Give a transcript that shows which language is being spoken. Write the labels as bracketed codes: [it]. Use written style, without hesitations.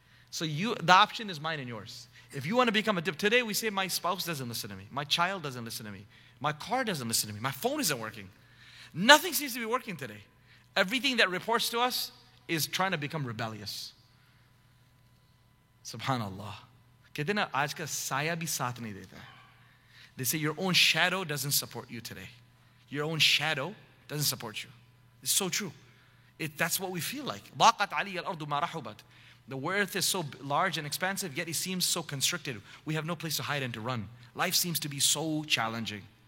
[en] So the option is mine and yours. If you want to become a diplomat, today we say my spouse doesn't listen to me. My child doesn't listen to me. My car doesn't listen to me. My phone isn't working. Nothing seems to be working today. Everything that reports to us is trying to become rebellious. Subhanallah. [ur] کہتے نا آج کا سایہ بھی ساتھ نہیں دیتا۔ [en] They say your own shadow doesn't support you today. Your own shadow doesn't support you. It's so true. That's what we feel like. [ar] Daqat alayya al-ardu ma rahubat. [en] The earth is so large and expansive, yet it seems so constricted. We have no place to hide and to run. Life seems to be so challenging.